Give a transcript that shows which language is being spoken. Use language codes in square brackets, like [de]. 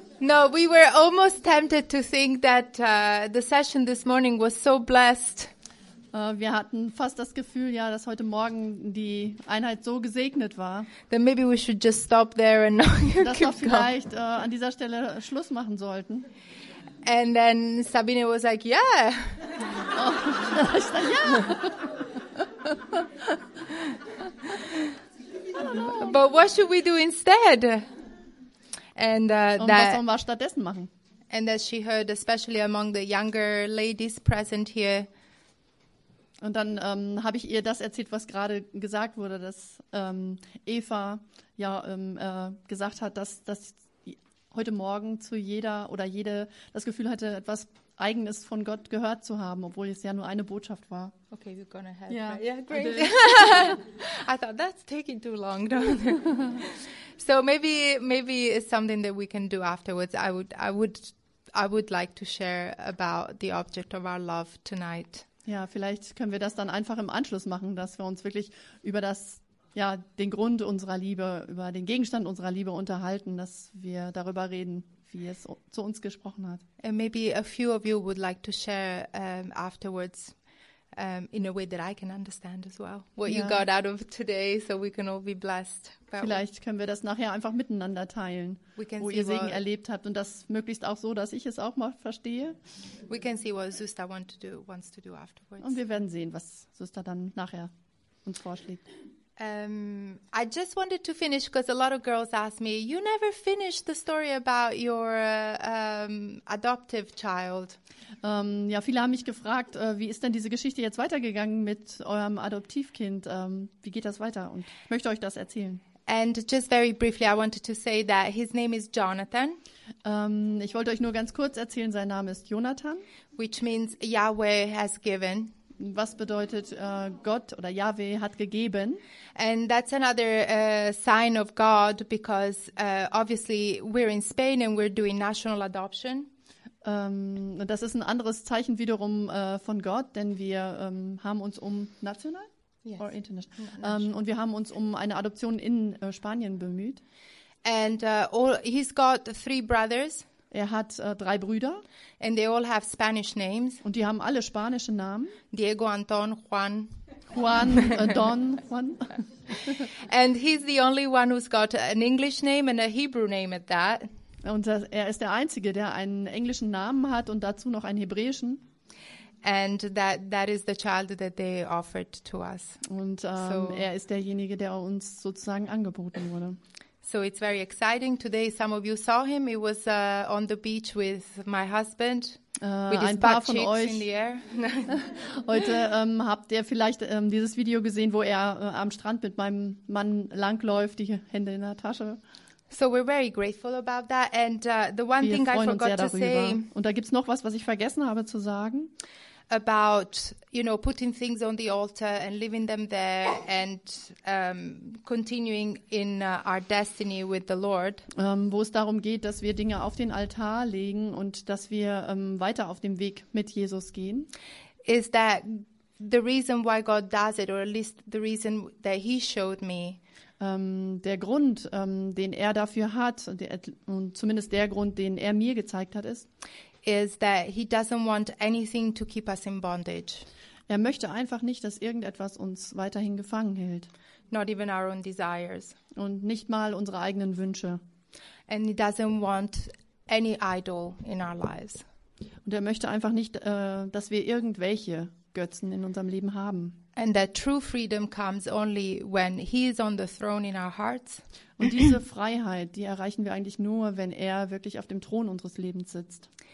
[en] No, we were almost tempted to think that the session this morning was so blessed. [de] Wir hatten fast das Gefühl, ja, dass heute Morgen die Einheit so gesegnet war. [en] Then maybe we should just stop there and not keep going. [de] Dass wir vielleicht an dieser Stelle Schluss machen sollten. [en] And then Sabine was like, yeah. Oh, [de] ich sag, ja. [en] But what should we do instead? [de] And was sollen wir stattdessen machen? [en] And that she heard, especially among the younger ladies present here. [de] Und dann habe ich ihr das erzählt, was gerade gesagt wurde, dass Eva ja gesagt hat, dass heute Morgen zu jeder oder jede das Gefühl hatte, etwas Eigenes von Gott gehört zu haben, obwohl es ja nur eine Botschaft war. [en] Okay, you're gonna help. Yeah, right? Yeah, great. I thought that's taking too long, don't it? So maybe it's something that we can do afterwards. I would like to share about the object of our love tonight. [de] Ja, vielleicht können wir das dann einfach im Anschluss machen, dass wir uns wirklich über das, ja, den Grund unserer Liebe, über den Gegenstand unserer Liebe unterhalten, dass wir darüber reden, wie es zu uns gesprochen hat. [en] And maybe a few of you would like to share afterwards in a way that I can understand as well, what you got out of today, so we can all be blessed. [de] Vielleicht können wir das nachher einfach miteinander teilen, wo ihr Segen erlebt habt, und das möglichst auch so, dass ich es auch mal verstehe. [en] We can see what Susta wants to do afterwards. [de] Und wir werden sehen, was Susta dann nachher uns vorschlägt. [en] I just wanted to finish because a lot of girls ask me, you never finished the story about your adoptive child. [de] Ja, viele haben mich gefragt, wie ist denn diese Geschichte jetzt weitergegangen mit eurem Adoptivkind? Wie geht das weiter? Und ich möchte euch das erzählen. [en] And just very briefly, I wanted to say that his name is Jonathan. [de] Ich wollte euch nur ganz kurz erzählen, sein Name ist Jonathan. [en] Which means Yahweh has given. [de] Was bedeutet Gott oder Yahweh hat gegeben? [en] And that's another sign of God, because obviously we're in Spain and we're doing national adoption. [de] Das ist ein anderes Zeichen wiederum von Gott, denn wir haben uns um national, [en] yes, or international, international. [de] Und wir haben uns um eine Adoption in Spanien bemüht. [en] And he's got three brothers. [de] Er hat drei Brüder. [en] And they all have Spanish names. [de] Und die haben alle spanische Namen. Diego, Anton, Juan. Juan, Don, Juan. [en] And he's the only one who's got an English name and a Hebrew name at that. [de] Und er ist der Einzige, der einen englischen Namen hat und dazu noch einen hebräischen. [en] And that is the child that they offered to us. [de] Und er ist derjenige, der uns sozusagen angeboten wurde. [en] So it's very exciting. Today some of you saw him. He was on the beach with my husband. [de] Ein paar von euch [en] in the air. [de] Heute habt ihr vielleicht dieses Video gesehen, wo er am Strand mit meinem Mann langläuft, die Hände in der Tasche. [en] So we're very grateful about that. And the one [de] wir [en] thing I forgot to say. [de] Und da gibt's noch was ich vergessen habe zu sagen. [en] About, you know, putting things on the altar and leaving them there and continuing in our destiny with the Lord. [de] Wo es darum geht, dass wir Dinge auf den Altar legen und dass wir weiter auf dem Weg mit Jesus gehen. [en] Is that the reason why God does it, or at least the reason that he showed me. [de] Der Grund, den er dafür hat, und zumindest der Grund, den er mir gezeigt hat, [en] is that he doesn't want anything to keep us in bondage. [de] Er möchte einfach nicht, dass irgendetwas uns weiterhin gefangen hält. [en] Not even our own desires. [de] Und nicht mal unsere eigenen Wünsche. [en] And he doesn't want any idol in our lives. [de] Und er möchte einfach nicht, dass wir irgendwelche Götzen in unserem Leben haben. [en] And that true freedom comes only when he is on the throne in our hearts. [de] Und diese Freiheit, die erreichen wir eigentlich nur, wenn er wirklich auf dem Thron unseres Lebens sitzt.